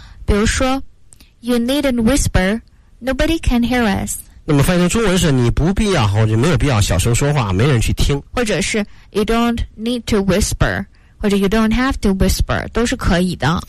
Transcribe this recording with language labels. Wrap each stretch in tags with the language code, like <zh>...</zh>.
<zh>比如说</zh> <en>You needn't whisper, nobody can hear us,</en> <zh>那么翻译成中文是你不必要或者没有必要小声说话，没人去听，或者是</zh> <en>you don't need to whisper,</en> <zh>或者</zh> <en>you don't have to whisper,</en> <zh>都是可以的。</zh>